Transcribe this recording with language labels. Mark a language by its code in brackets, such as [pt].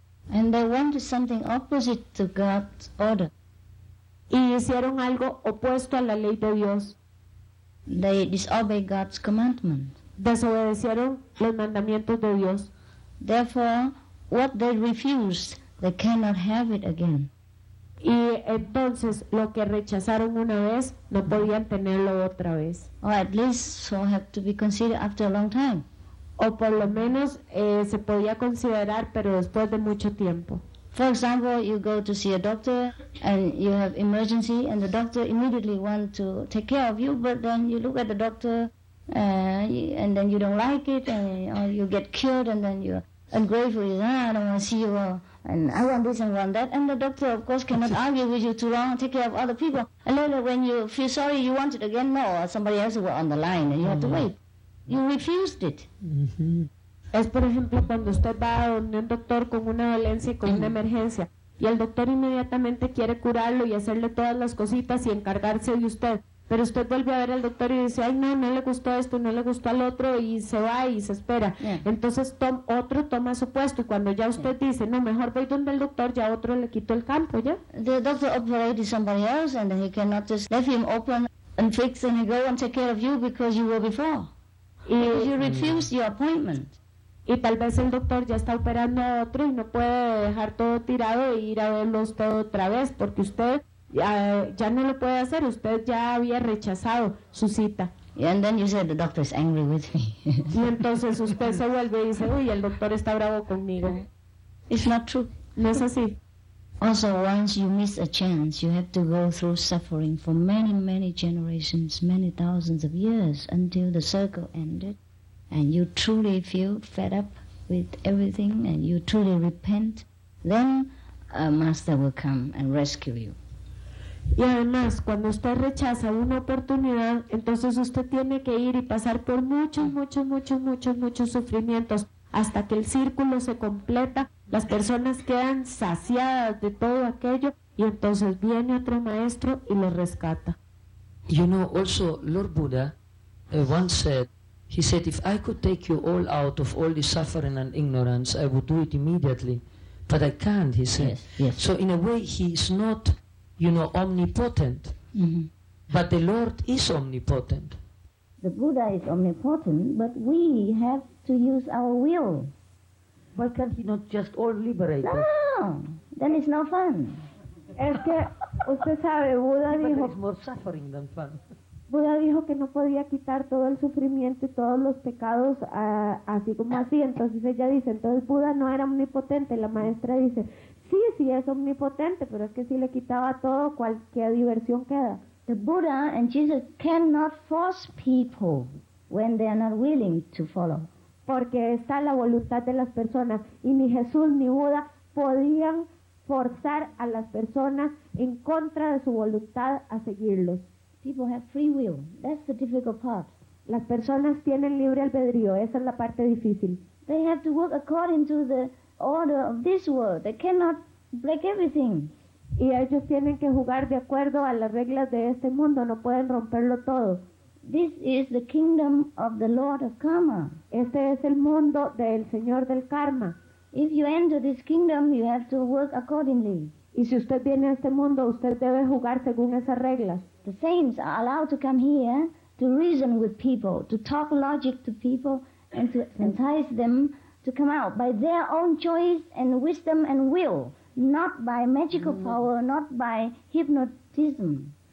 [en] And they wanted something opposite to God's order. [es] Y hicieron algo opuesto a la ley de Dios. [en] They disobeyed God's commandment. [es] Desobedecieron los mandamientos de Dios. [en] Therefore, what they refused, they cannot have it again. [es] Y entonces, lo que rechazaron una vez, no podían tenerlo otra vez. [en] Or at least, so have to be considered after a long time. [es] O por lo menos, se podía considerar, pero después de mucho tiempo. [en] For example, you go to see a doctor, and you have emergency, and the doctor immediately wants to take care of you, but then you look at the doctor, and then you don't like it, or you get cured, and then you're ungrateful. You say, I don't want to see you, and I want this and want that. And the doctor, of course, cannot argue with you too long, take care of other people. And later, when you feel sorry, you want it again more, or somebody else will on the line, and you have to wait. You refused it. Mm-hmm. [es] Es, por ejemplo, cuando usted va a un doctor con una dolencia y con una emergencia, y el doctor inmediatamente quiere curarlo y hacerle todas las cositas y encargarse de usted. Pero usted vuelve a ver al doctor y dice, ay, no le gustó esto, no le gustó al otro, y se va y se espera. [en] Yeah. [es] Entonces otro toma su puesto, y cuando ya usted dice, no, mejor voy donde el doctor, ya otro le quitó el campo, ¿ya? [en] The doctor operated somebody else, and he cannot just leave him open and fix, and he go and take care of you because you were before. [es] Y [en] you refused your appointment. [es] Y tal vez el doctor ya está operando a otro y no puede dejar todo tirado e ir a verlo usted otra vez, porque usted... ya no lo puede hacer, usted ya había rechazado su cita. [en] And then you said the doctor is angry with me. [es] Y entonces usted se vuelve y dice, uy, el doctor está bravo conmigo. [en] It's not true. [es] No es así. [en] Also, once you miss a chance, you have to go through suffering for many, many generations, many thousands of years, until the circle ended, and you truly feel fed up with everything, and you truly repent, then a master will come and rescue you. [es] Y además, cuando usted rechaza una oportunidad, entonces usted tiene que ir y pasar por muchos sufrimientos hasta que el círculo se completa, las personas quedan saciadas de todo aquello y entonces viene otro maestro y lo rescata. [en] You know, also Lord Buddha once said, if I could take you all out of all the suffering and ignorance, I would do it immediately. But I can't, he said. Yes. So in a way, he is not... omnipotent, but the Lord is omnipotent. The Buddha is omnipotent, but we have to use our will. Why can't he not just all liberate us? No, then it's no fun. [es] Es que usted sabe, Buda dijo... [en] It's more suffering than fun. [es] Buda dijo que no podía quitar todo el sufrimiento y todos los pecados así como así, entonces ella dice, entonces Buda no era omnipotente, la maestra dice... Sí, sí, es omnipotente, pero es que si le quitaba todo, cualquier diversión queda. [en] The Buddha and Jesus cannot force people when they are not willing to follow. [es] Porque está la voluntad de las personas, y ni Jesús ni Buda podían forzar a las personas en contra de su voluntad a seguirlos. [en] People have free will. That's the difficult part. [es] Las personas tienen libre albedrío. Esa es la parte difícil. [en] They have to work according to the order of this world. They cannot break everything. [es] Y ellos tienen que jugar de acuerdo a las reglas de este mundo. No pueden romperlo todo. [en] This is the kingdom of the Lord of Karma. [es] Este es el mundo del Señor del Karma. [en] If you enter this kingdom, you have to work accordingly. [es] Y si usted viene a este mundo, usted debe jugar según esas reglas. [en] The saints are allowed to come here to reason with people, to talk logic to people, and to entice them to come out by their own choice and wisdom and will, not by magical power, not by hypnotism.